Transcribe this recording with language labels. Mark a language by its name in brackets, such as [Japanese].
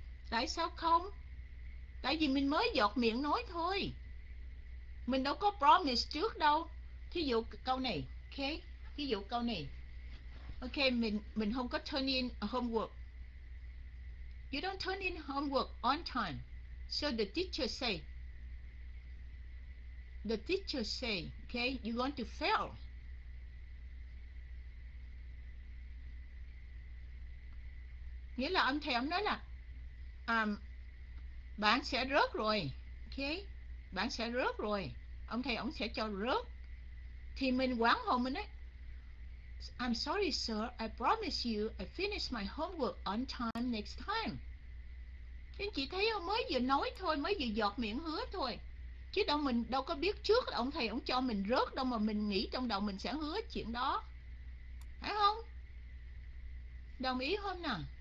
[Vietnamese] Tại sao không? Tại vì mình mới giọt miệng nói thôi. Mình đâu có promise trước đâu. Thí dụ câu này, ok? Thí dụ câu này. [English] Ok, [Vietnamese] mình không có [English] turn in homework. You don't turn in homework on time. So the teacher say, ok, you're going to fail. [Vietnamese] Nghĩa là ông thầy ông nói là bạn sẽ rớt rồi, ok? Bạn sẽ rớt rồi. Ông thầy ông sẽ cho rớt. Thì mình quán hồn mình ấy. [English] I'm sorry sir, I promise you I finish my homework on time next time. [Vietnamese] Anh chị thấy không? Mới vừa nói thôi, mới vừa giọt miệng hứa thôi. Chứ đâu mình đâu có biết trước ông thầy ông cho mình rớt đâu mà mình nghĩ trong đầu mình sẽ hứa chuyện đó. Phải không? Đồng ý không nào?